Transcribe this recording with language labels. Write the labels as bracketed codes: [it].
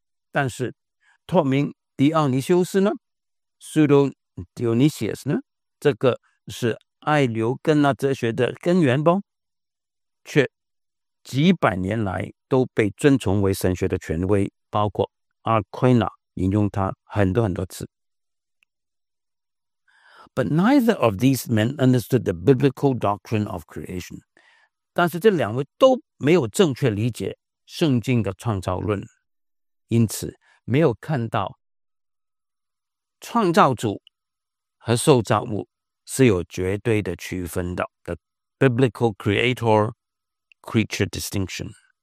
[zh] 但是托明迪奥尼修斯呢 Pseudo Dionysius 呢，这个是艾留根纳哲学的根源不，却几百年来都被尊崇为神学的权威，包括阿奎那引用他很多很多次。 [en] But neither of these men understood the biblical doctrine of creation. [zh] 但是这两位都没有正确理解圣经的创造论，因此没有看到创造主和受造物是有绝对的区分的 [en] The biblical creator-creature distinction.